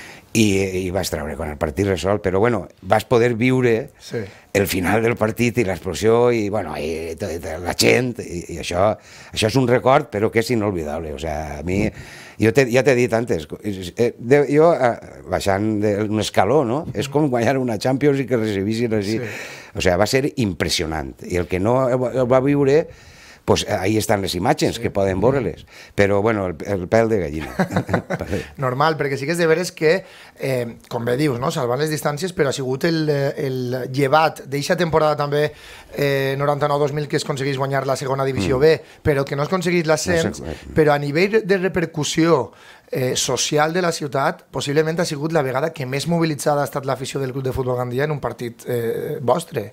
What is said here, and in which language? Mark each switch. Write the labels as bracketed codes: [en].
[ca] I vas treure quan el partit resolt, però bueno, vas poder viure el final del partit i l'explosió i, bueno, i la gent, i això és un record, però que és inolvidable. O sigui, a mi, ja t'he dit antes, jo baixant d'un escaló, no? És com guanyar una Champions i que recibissin així. O sigui, va ser impressionant, i el que no va viure... [es] Pues ahí están las imágenes, sí, que pueden borrarles. [ca] Pero bueno, el pèl de gallina. Normal, perquè sí que és de veres que, com bé dius, no? Salvant les distàncies, però ha sigut el llevat d'eixa temporada també 99-2000 que es aconsegueix guanyar la segona divisió B, però que no es aconsegueix l'ascens, però a nivell de repercussió social de la ciutat, possiblement ha sigut la vegada que més mobilitzada ha estat l'afició del club de futbol Gandia en un partit vostre.